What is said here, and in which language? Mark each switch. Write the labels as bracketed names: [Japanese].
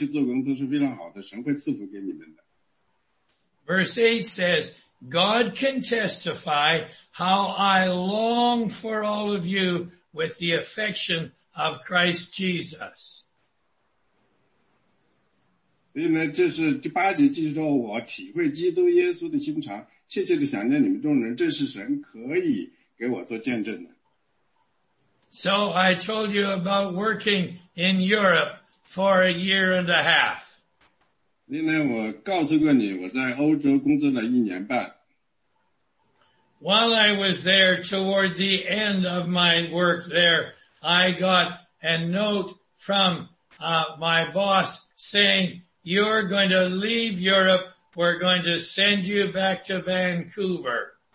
[Chinese] 因为他说那个腓立比的人，他们是忠心的仆人，他们以后呢一直在传神的福音，他们互相帮助，他们也在帮助保罗，他们甚至寄钱给保罗。所以他说，在这个里面呢，就像第六节说的，到时候神呢必成全这功，直到耶稣基督的日子。他是说你们现在在这里，你们互相帮助，互相去做工，都是非常好的，神会赐福给你们的。 [English] Verse 8 says, God can testify how I long for all of you with the affection of Christ Jesus. [Chinese] 所以呢，这是第八节继续说，我体会基督耶稣的心肠，切切的想念你们众人，这是神可以给我做见证的。 [English] So I told you about working in Europe for a year and a half. [Chinese] 因为我告诉过你，我在欧洲工作了一年半。 [English] While I was there, toward the end of my work there, I got a note from my boss saying, you're going to leave Europe, we're going to send you back to Vancouver.